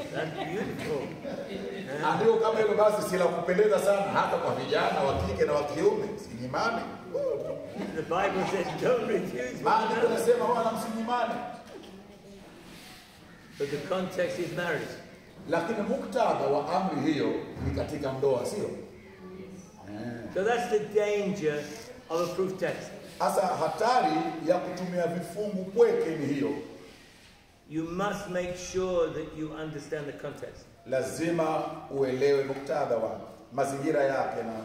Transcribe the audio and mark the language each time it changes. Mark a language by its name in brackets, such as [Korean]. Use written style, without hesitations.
[English] That's beautiful. [Swahili] Andio kama hilo basi sila kupendeza sana hata kwa vijana wa kike na wa kiume. Sinyimane. [English] The Bible says don't refuse. [Swahili] Maandiko yanasema wala msinyimane. [English] But the context is marriage. [Swahili] Lakini muktadha wa amri hiyo ni katika ndoa, sio? [English] So that's the danger of a proof text. [Swahili] Asa hatari ya kutumia vifungu pweke ni hiyo. [English] You must make sure that you understand the context. [Swahili] Lazima uelewe muktadha wa mazingira yake na.